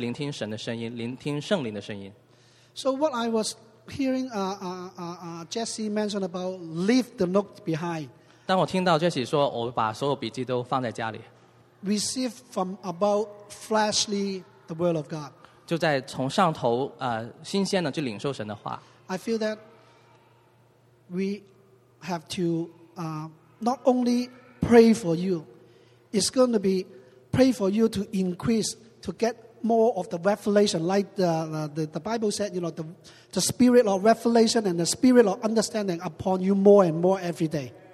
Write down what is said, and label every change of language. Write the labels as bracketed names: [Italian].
[Chinese] 所以我分享这个见证的原因呢，是因为这是也是印证了我们西安的其中一个传承一个产业，就是我们在当下要去聆听神的声音，聆听圣灵的声音。 [English] So what I was hearing Jesse mentioned about leave the note behind. [Chinese] 当我听到 Jesse 说，我把所有笔记都放在家里。 [English] Receive from about fleshly the word of God. [Chinese] 就在从上头新鲜的去领受神的话。 [English] I feel that we have to not only pray for you, it's going to be pray for you to increase, to get more of the revelation, like the Bible said, you know, the spirit of revelation and the spirit of understanding upon you more and more every day.